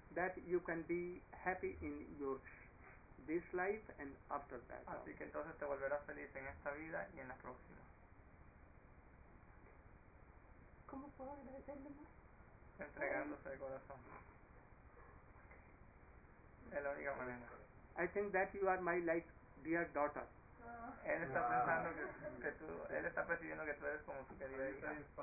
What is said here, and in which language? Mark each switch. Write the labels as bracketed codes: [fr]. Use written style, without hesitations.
[en] That you can be happy in your this life and after that. [es] Así que entonces te volverás feliz en esta vida y en la próxima. ¿Cómo puedo agradecerle más? Entregándose de corazón. Es la única manera. [en] I think that you are my like dear daughter. [es] Él está pensando que tú, él está percibiendo que tú eres como su querida hija.